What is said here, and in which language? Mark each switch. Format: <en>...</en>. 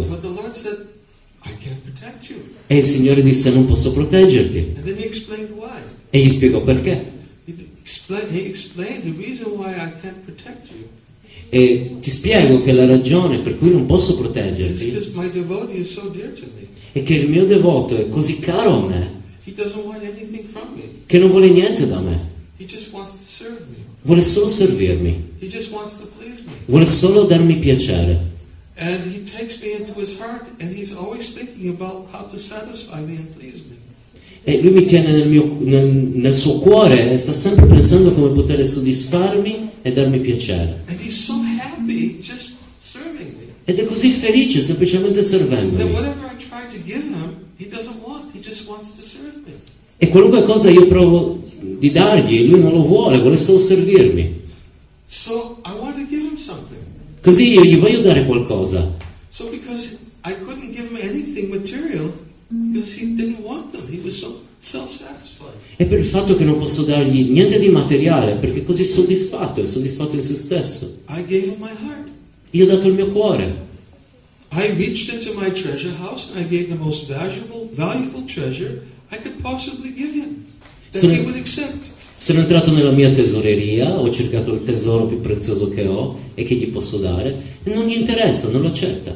<en>But the Lord said, I can't protect you.</en> <it>E il Signore disse: non posso proteggerti.</it> <en>And then he explained why.</en> <it>E gli spiegò perché.</it> <en>He explained the reason why I can't protect you.</en> <it>E ti spiego che la ragione per cui non posso proteggerti</it> <en>is because my devotee is so dear to me.</en> <it>È che il mio devoto è così caro a me.</it> <en>He doesn't want anything from me.</en> <it>Che non vuole niente da me.</it> <en>He just wants to serve me.</en> <it>Vuole solo servirmi.</it> <en>He just wants to please me.</en> <it>Vuole solo darmi piacere.</it> <en>And he takes me into his heart, and he's always thinking about how to satisfy me and please me.</en> <it>E lui mi tiene nel suo cuore e sta sempre pensando come poter soddisfarmi e darmi piacere.</it> <en>And he's so happy just serving me.</en> <it>Ed è così felice semplicemente servendomi.</it> <en>That whatever I try to give him, he doesn't want. He just wants to serve me.</en> <it>E qualunque cosa io provo di dargli, lui non lo vuole, vuole solo servirmi.</it> <en>So I want to give him something.</en> <it>Così io gli voglio dare qualcosa.</it> <en>So because I couldn't give him anything material, because he didn't want them. He was so self-satisfied.</en> <it>E per il fatto che non posso dargli niente di materiale, perché così è soddisfatto in se stesso.</it> <en>I gave him my heart.</en> <it>Gli ho dato il mio cuore.</it> <en>I reached into my treasure house and I gave the most valuable treasure I could possibly give him, that he would accept.</en> <it>Sono entrato nella mia tesoreria, ho cercato il tesoro più prezioso che ho e che gli posso dare, e non gli interessa, non lo accetta.</it>